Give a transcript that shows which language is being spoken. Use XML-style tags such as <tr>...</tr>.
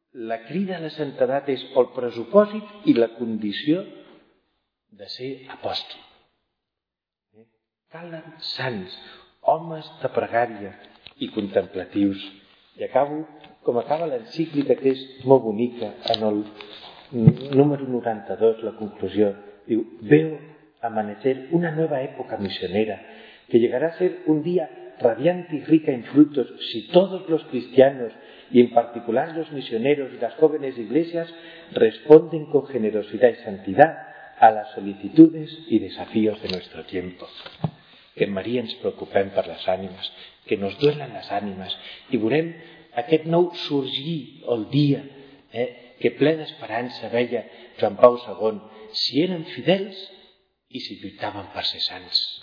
<ca>La crida a la santedat és el pressupòsit i la condició de ser apòstol. Calen sants, homes de pregària i contemplatius. I acabo com acaba l'encíclica, que és molt bonica, en el número 92, la conclusió. Diu,</ca> <es>veo amanecer una nueva época misionera que llegará a ser un día radiante y rica en frutos si todos los cristianos y en particular los misioneros y las jóvenes iglesias responden con generosidad y santidad a las solicitudes y desafíos de nuestro tiempo.</es> <ca>Que María ens preocupem per les ànimes, que</ca> <es>nos duelen</es> <ca>les ànimes i veurem aquest nou sorgir el dia que ple d'esperança veia Joan Pau II si eren fidels i si lluitaven per ser sants.</ca>